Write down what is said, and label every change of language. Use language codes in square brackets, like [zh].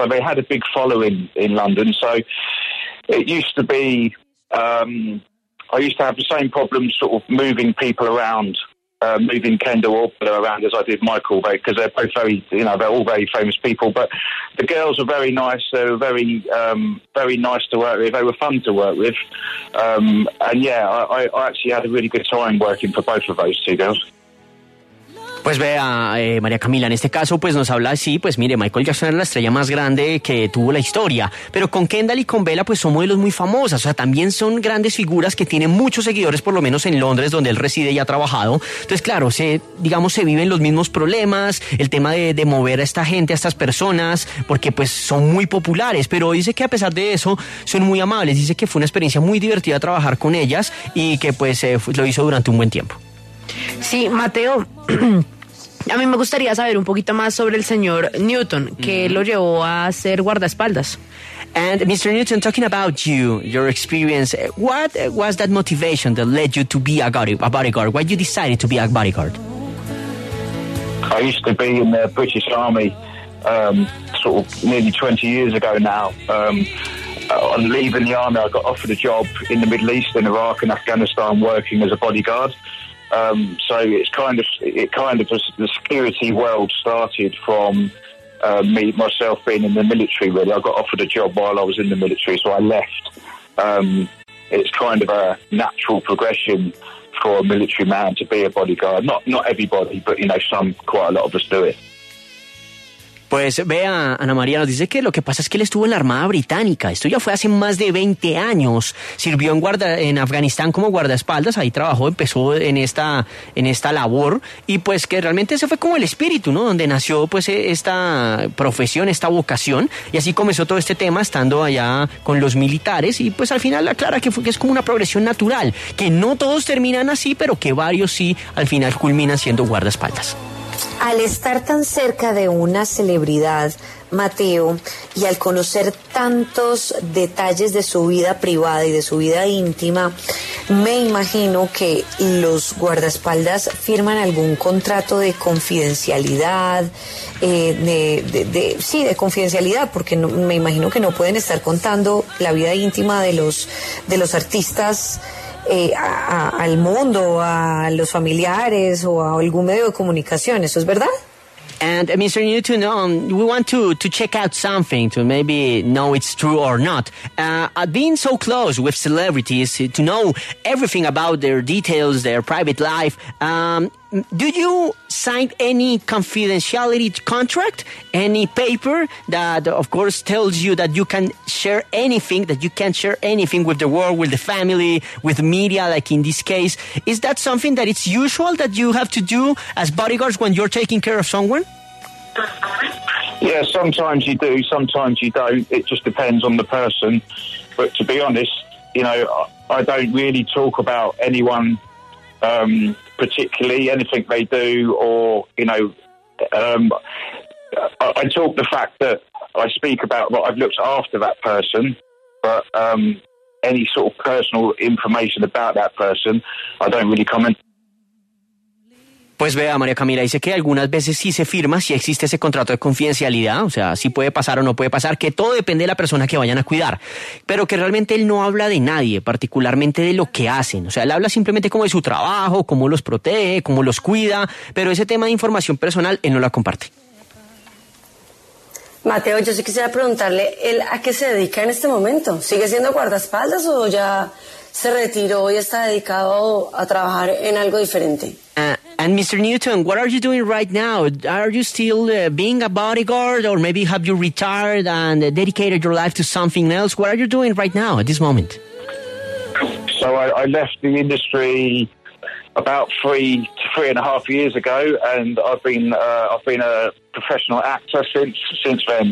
[en] So they had a big following in London. So it used to be, I used to have the same problem sort of moving people around, moving Kendall or Bella around as I did Michael, because they're both very, you know, they're all very famous people. But the girls were very nice. They were very, very nice to work with. They were fun to work with. And yeah, I actually had a really good time working for both of those two girls. [es] Pues vea, María Camila, en este caso pues nos habla así, pues mire, Michael Jackson era la estrella más grande que tuvo la historia, pero con Kendall y con Bella pues son modelos muy famosas, o sea, también son grandes figuras que tienen muchos seguidores, por lo menos en Londres, donde él reside y ha trabajado. Entonces, claro, se viven los mismos problemas, el tema de mover a esta gente, a estas personas, porque pues son muy populares, pero dice que a pesar de eso son muy amables, dice que fue una experiencia muy divertida trabajar con ellas y que pues lo hizo durante un buen tiempo. Sí, Mateo, a mí me gustaría saber un poquito más sobre el señor Newton, que lo llevó a ser guardaespaldas. [en] And Mr. Newton, talking about you, your experience, what was that motivation that led you to be a bodyguard? Why you decided to be a bodyguard? I used to be in the British Army, sort of nearly 20 years ago now. On leaving the army, I got offered a job in the Middle East, in Iraq and Afghanistan, working as a bodyguard. So it's kind of the security world started from myself being in the military. Really, I got offered a job while I was in the military, so I left. It's kind of a natural progression for a military man to be a bodyguard. Not everybody, but you know, quite a lot of us do it. [es] Pues vea, Ana María nos dice que lo que pasa es que él estuvo en la Armada Británica. Esto ya fue hace más de 20 años. Sirvió en Afganistán como guardaespaldas. Ahí trabajó, empezó en esta labor. Y pues que realmente ese fue como el espíritu, ¿no? Donde nació pues esta profesión, esta vocación. Y así comenzó todo este tema estando allá con los militares. Y pues al final aclara que es como una progresión natural. Que no todos terminan así, pero que varios sí al final culminan siendo guardaespaldas. Al estar tan cerca de una celebridad, Mateo, y al conocer tantos detalles de su vida privada y de su vida íntima, me imagino que los guardaespaldas firman algún contrato de confidencialidad, de confidencialidad, porque no, me imagino que no pueden estar contando la vida íntima de los artistas al mundo, a los familiares o a algún medio de comunicación. ¿Eso es verdad? [en] And Mr. Newton, we want to check out something to maybe know it's true or not. Being so close with celebrities, to know everything about their details, their private life, do you sign any confidentiality contract, any paper that, of course, tells you that you can share anything, that you can't share anything with the world, with the family, with media, like in this case? Is that something that it's usual that you have to do as bodyguards when you're taking care of someone? Yeah, sometimes you do, sometimes you don't. It just depends on the person. But to be honest, you know, I don't really talk about anyone particularly, anything they do, or, you know, I talk the fact that I speak about what I've looked after that person, but any sort of personal information about that person, I don't really comment. [es] Pues vea, María Camila dice que algunas veces sí se firma, sí existe ese contrato de confidencialidad, o sea, sí puede pasar o no puede pasar, que todo depende de la persona que vayan a cuidar, pero que realmente él no habla de nadie, particularmente de lo que hacen, o sea, él habla simplemente como de su trabajo, cómo los protege, cómo los cuida, pero ese tema de información personal él no la comparte. Mateo, yo sí quisiera preguntarle, ¿él a qué se dedica en este momento? ¿Sigue siendo guardaespaldas o ya se retiró y está dedicado a trabajar en algo diferente? [en] And Mr. Newton, what are you doing right now? Are you still being a bodyguard, or maybe have you retired and dedicated your life to something else? What are you doing right now at this moment? So I left the industry about 3 to 3.5 years ago, and I've been a professional actor since then.